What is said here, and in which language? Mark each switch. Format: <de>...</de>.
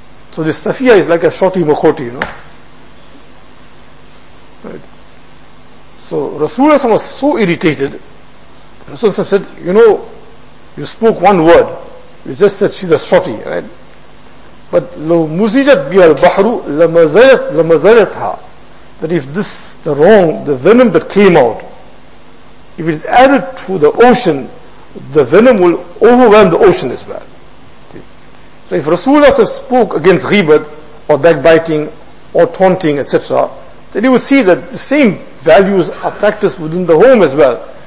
<en>So this Safiya is like a shorty mokoti, you know. Right. So Rasulullah was so irritated. Rasulullah said, you know, you spoke one word. You just said she's a shorty, right?</en> <ar>But لو مزجت بها البحر لمزجتها.</ar> <en>That if this, the wrong, the venom that came out, if it is added to the ocean, the venom will overwhelm the ocean as well. So if Rasulullah spoke against ghibat or backbiting or taunting, etc., then you would see that the same values are practiced within the home as well.</en>